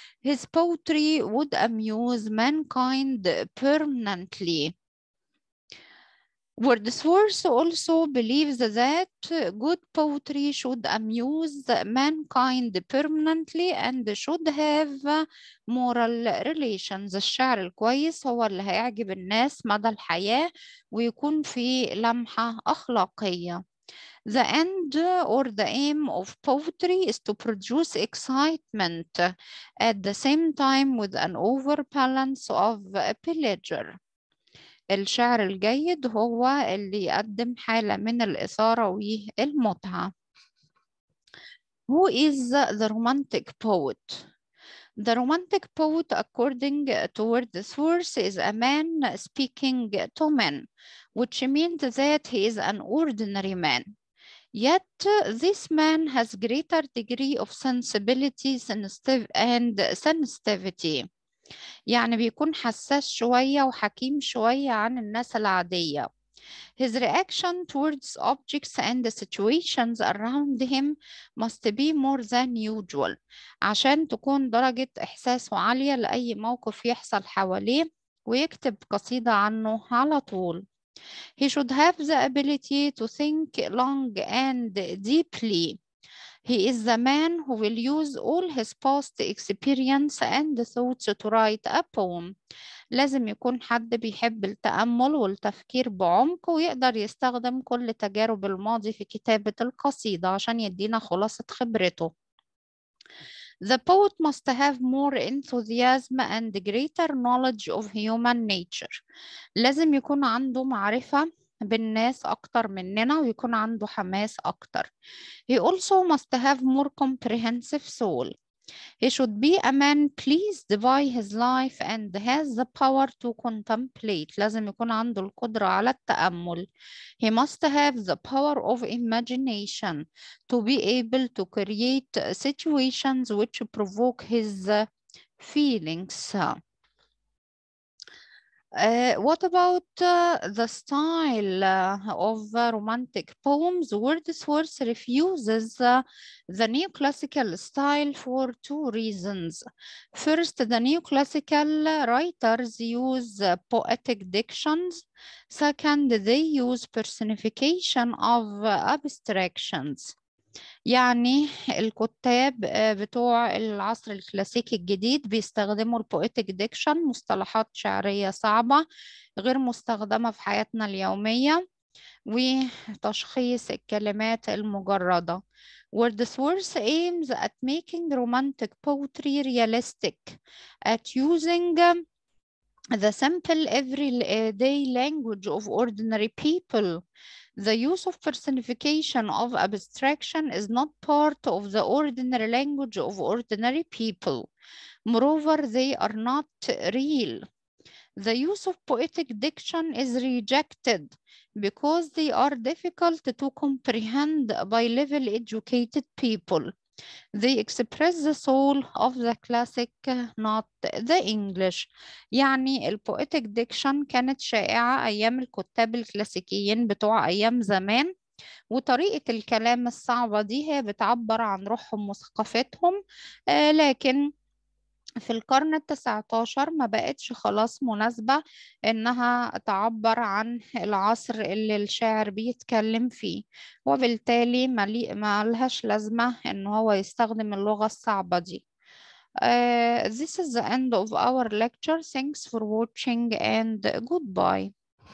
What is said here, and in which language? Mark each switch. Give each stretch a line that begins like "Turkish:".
English: His poetry would amuse mankind permanently. Wordsworth also believes that good poetry should amuse mankind permanently and should have moral relations.
Arabic: الشعر الكويس هو اللي هيعجب الناس مدى الحياة ويكون فيه لمحة أخلاقية.
English: The end or the aim of poetry is to produce excitement at the same time with an overbalance of pleasure.
Arabic: الشعر الجيد هو اللي يقدم حالة من الإثارة والمتعة.
English: Who is the romantic poet? The romantic poet, according to Wordsworth, is a man speaking to men, which means that he is an ordinary man. Yet this man has greater degree of sensibility and sensitivity.
Arabic: يعني بيكون حساس شوية وحكيم شوية عن الناس العادية.
English: His reaction towards objects and the situations around him must be more than usual.
Arabic: عشان تكون درجة إحساسه عالية لأي موقف يحصل حواليه ويكتب قصيدة عنه على طول.
English: He should have the ability to think long and deeply. He is the man who will use all his past experience and thoughts to write a poem.
Arabic: لازم يكون حد بيحب التأمل والتفكير بعمق ويقدر يستخدم كل تجارب الماضي في كتابة القصيدة عشان يدينا خلاصة خبرته.
English: The poet must have more enthusiasm and greater knowledge of human nature.
Arabic: لازم يكون عنده معرفة بالناس أكتر مننا ويكون عنده حماس أكتر.
English: He also must have more comprehensive soul. He should be a man pleased by his life and has the power to contemplate.
Arabic: لازم يكون عنده القدرة على التأمل.
English: He must have the power of imagination to be able to create situations which provoke his feelings. What about the style of romantic poems? Wordsworth refuses the neoclassical style for two reasons. First, the neoclassical writers use poetic dictions. Second, they use personification of abstractions.
Arabic: يعني الكتاب بتوع العصر الكلاسيكي الجديد بيستخدموا البويتيك ديكشن مصطلحات شعرية صعبة غير مستخدمة في حياتنا اليومية وتشخيص الكلمات المجردة.
English: Wordsworth aims at making romantic poetry realistic, at using the simple everyday language of ordinary people. The use of personification of abstraction is not part of the ordinary language of ordinary people. Moreover, they are not real. The use of poetic diction is rejected because they are difficult to comprehend by level educated people. They express the soul of the classic, not the English.
Arabic: يعني البويتيك ديكشن كانت شائعة أيام الكتاب الكلاسيكيين بتوع أيام زمان وطريقة الكلام الصعبة دي هي بتعبر عن روحهم وثقافتهم لكن في القرن التسعتاشر ما بقتش خلاص مناسبة إنها تعبر عن العصر اللي الشاعر بيتكلم فيه وبالتالي ما لهاش لازمة إن هو يستخدم اللغة الصعبة دي.
English: This is the end of our lecture. Thanks for watching and goodbye.